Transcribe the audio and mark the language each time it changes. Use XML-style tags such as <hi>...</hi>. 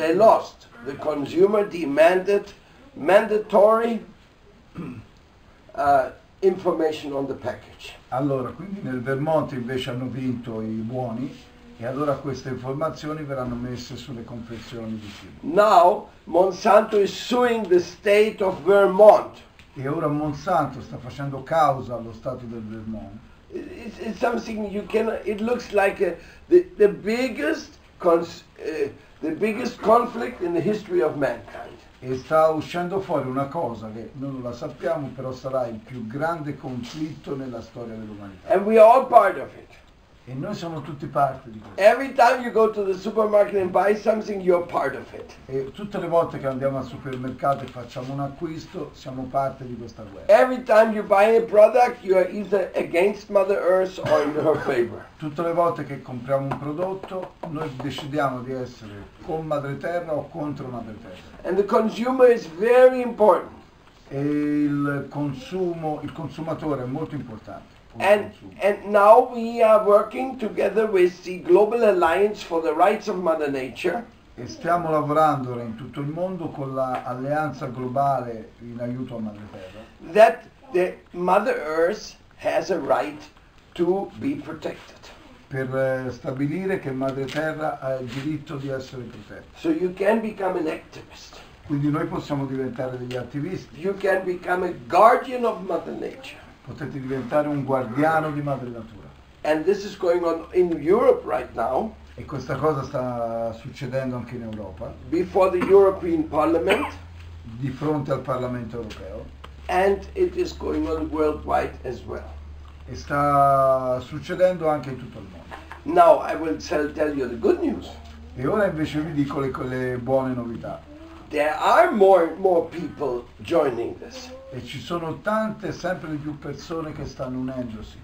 <en>they lost. The consumer demanded mandatory information on the package.</en> <it>Allora, quindi nel Vermont invece hanno vinto i buoni e allora queste informazioni verranno messe sulle confezioni di cibo.</it> <en>Now Monsanto is suing the state of Vermont.</en> <it>E ora Monsanto sta facendo causa allo stato del Vermont.</it> <en>It's something you can. It looks like the biggest conflict in the history of mankind.</en> <it>E sta uscendo fuori una cosa che noi non la sappiamo, però sarà il più grande conflitto nella storia dell'umanità.</it> <en>And we are all part of it.</en> <it>E noi siamo tutti parte di questo.</it> <en>Every time you go to the supermarket and buy something, you're part of it.</en> <it>E tutte le volte che andiamo al supermercato e facciamo un acquisto, siamo parte di questa guerra.</it> <en>Every time you buy a product, you are either against Mother Earth or in her favor.</en> <it>Tutte le volte che compriamo un prodotto, noi decidiamo di essere con Madre Terra o contro Madre Terra.</it> <en>And the consumer is very important.</en> <it>E il consumo, il consumatore è molto importante.</it> <en>And now we are working together with the Global Alliance for the Rights of Mother Nature.</en> <it>E stiamo lavorando in tutto il mondo con l'alleanza globale in aiuto a Madre Terra.</it> <en>That the Mother Earth has a right to be protected.</en> <it>Per stabilire che Madre Terra ha il diritto di essere protetta.</it> <en>So you can become an activist.</en> <it>Quindi noi possiamo diventare degli attivisti.</it> <en>You can become a guardian of Mother Nature.</en> <it>Potete diventare un guardiano di madre natura.</it> <en>And this is going on in Europe right now.</en> <it>E questa cosa sta succedendo anche in Europa.</it> <en>Before the European Parliament.</en> <it>Di fronte al Parlamento europeo.</it> <en>And it is going on worldwide as well.</en> <it>E sta succedendo anche in tutto il mondo.</it> <en>Now I will tell you the good news.</en> <it>E ora invece vi dico le buone novità.</it> <en>There are more people joining this.</en> <it>E ci sono tante, sempre di più persone che stanno unendosi.</it>